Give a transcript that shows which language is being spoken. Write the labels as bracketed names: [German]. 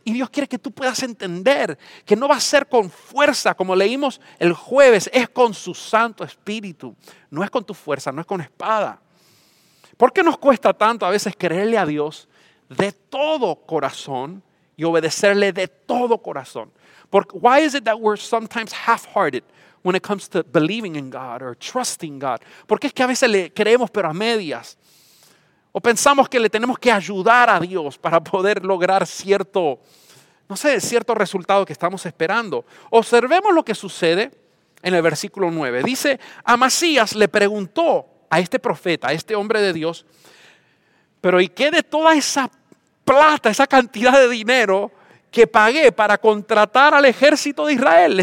[Spanish] Y Dios quiere que tú puedas entender que no va a ser con fuerza, como leímos el jueves, es con su Santo Espíritu. No es con tu fuerza, no es con espada. ¿Por qué nos cuesta tanto a veces creerle a Dios de todo corazón y obedecerle de todo corazón? [English] Why is it that we're sometimes half-hearted when it comes to believing in God or trusting God? [Spanish] ¿Por qué es que a veces le creemos pero a medias? O pensamos que le tenemos que ayudar a Dios para poder lograr cierto, no sé, cierto resultado que estamos esperando. Observemos lo que sucede en el versículo 9. Dice, Amasías le preguntó a este profeta, a este hombre de Dios, pero ¿y qué de toda esa plata, esa cantidad de dinero que pagué para contratar al ejército de Israel?